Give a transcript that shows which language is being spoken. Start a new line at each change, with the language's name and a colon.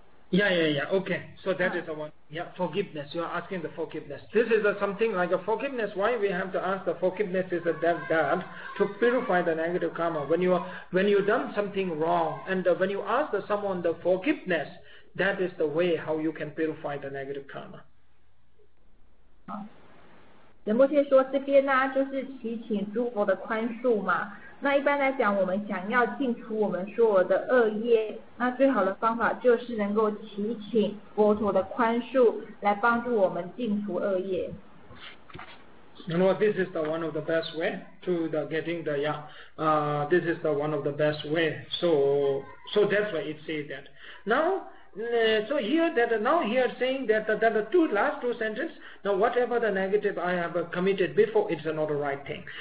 English: Yeah. Okay. So that is the one. Yeah, forgiveness. You are asking the forgiveness. This is something like a forgiveness. Why we have to ask the forgiveness is that to purify the negative karma. When you done something wrong and when you ask someone the forgiveness, that is the way how you can purify the negative karma.
Chinese: 仁波切说这边呢、啊、就是祈请诸佛的宽恕嘛，那一般来讲我们想要净除我们所有的恶业，那最好的方法就是能够祈请佛陀的宽恕来帮助我们净除恶业。
English: You know, this is the one of the best way to the getting the, yeah, this is the one of the best way. So that's why it says that. Now,so here that now he is saying that the two last two sentences, now whatever the negative I have committed before, it's not the right thing.